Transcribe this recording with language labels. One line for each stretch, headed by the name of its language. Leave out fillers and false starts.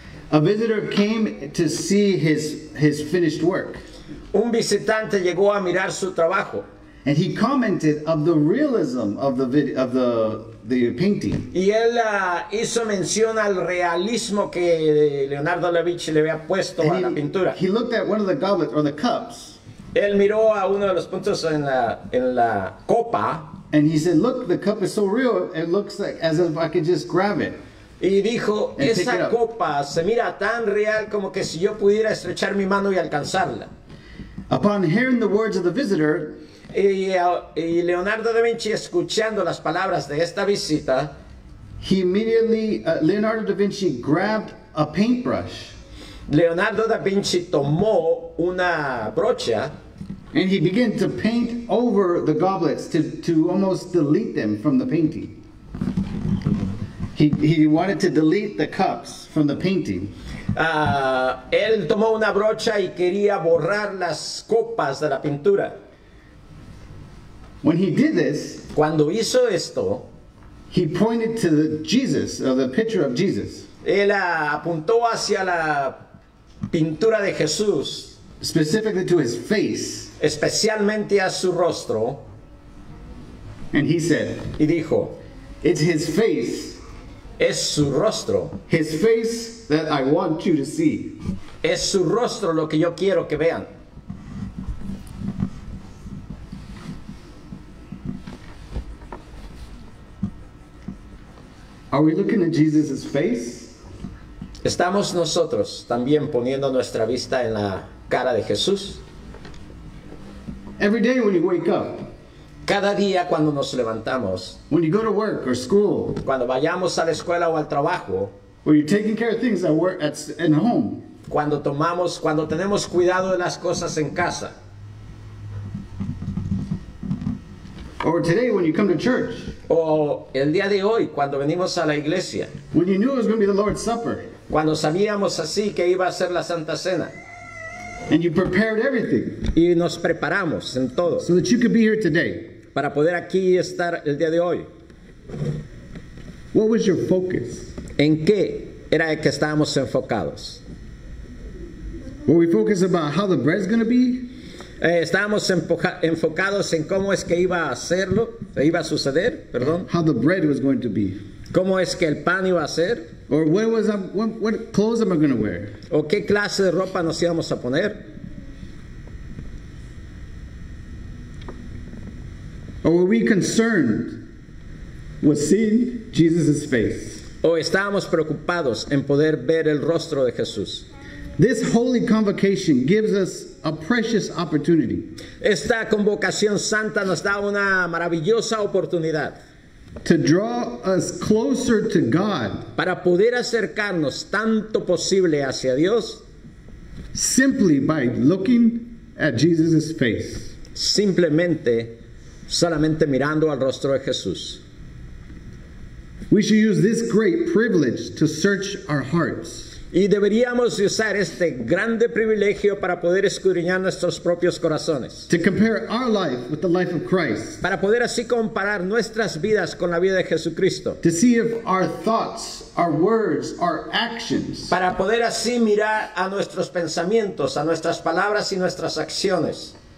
English: A visitor came to see his finished work.
Spanish: Un visitante llegó a mirar su trabajo.
English: And he commented of the realism of the painting.
Spanish: Y él hizo mención al realismo que Leonardo da Vinci le había puesto a la pintura.
English: He looked at one of the goblets or the cups.
Spanish: Él miró a uno de los puntos en la copa.
English: And he said, "Look, the cup is so real. It looks like as if I could just grab it."
Spanish: Y dijo, esa copa se mira tan real como que si yo pudiera estrechar mi mano y alcanzarla.
English: Upon hearing the words of the visitor,
Spanish: y Leonardo da Vinci escuchando las palabras de esta visita,
English: Leonardo da Vinci grabbed a paintbrush.
Spanish: Leonardo da Vinci tomó una brocha.
English: And he began to paint over the goblets to almost delete them from the painting. He wanted to delete the cups from the painting.
Spanish: Él tomó una brocha y quería borrar las copas de la pintura.
English: When he did this,
Spanish: cuando hizo esto,
English: he pointed to the Jesus, or the picture of Jesus.
Spanish: Él apuntó hacia la pintura de Jesús.
English: Specifically to his face.
Spanish: Especialmente a su rostro.
English: And he said,
Spanish: y dijo,
English: it's his face.
Spanish: Es su rostro.
English: His face that I want you to see.
Spanish: Es su rostro lo que yo quiero que vean.
English: Are we looking at Jesus' face?
Spanish: ¿Estamos nosotros también poniendo nuestra vista en la cara de Jesús?
English: Every day when you wake up.
Spanish: Cada día cuando nos levantamos,
English: when you go to work or school,
Spanish: cuando vayamos a la escuela o al trabajo,
English: when you're taking care of things at work at home,
Spanish: cuando tenemos cuidado de las cosas en casa,
English: or today when you come to church,
Spanish: o el día de hoy cuando venimos a la iglesia,
English: when you knew it was going to be the Lord's Supper,
Spanish: cuando sabíamos así que iba a ser la Santa Cena.
English: And you prepared everything.
Spanish: Y nos preparamos en todo.
English: So that you could be here today.
Spanish: Para poder aquí estar el día de hoy.
English: What was your focus?
Spanish: ¿En qué era el que estábamos enfocados?
English: Were we focused about how the bread's going to be?
Spanish: Estábamos enfocados en cómo es que iba a hacerlo, iba a suceder, perdón.
English: How the bread was going to be.
Spanish: ¿Cómo es que el pan iba a ser?
English: Or where was what clothes am I going to wear?
Spanish: ¿O qué clase de ropa nos íbamos a poner?
English: Or were we concerned with seeing Jesus' face?
Spanish: ¿O estábamos preocupados en poder ver el rostro de Jesús?
English: This holy convocation gives us a precious opportunity.
Spanish: Esta convocación santa nos da una maravillosa oportunidad.
English: To draw us closer to God.
Spanish: Para poder acercarnos tanto posible hacia Dios.
English: Simply by looking at Jesus' face.
Spanish: Simplemente, solamente mirando al rostro de Jesús.
English: We should use this great privilege to search our hearts.
Spanish: Y deberíamos usar este grande privilegio para poder escudriñar nuestros propios corazones.
English: To compare our life with the life of Christ.
Spanish: Para poder así comparar nuestras vidas con la vida de Jesucristo.
English: To see if our thoughts, our words, our actions.
Spanish: Para poder así mirar a nuestros pensamientos, a nuestras palabras y nuestras acciones.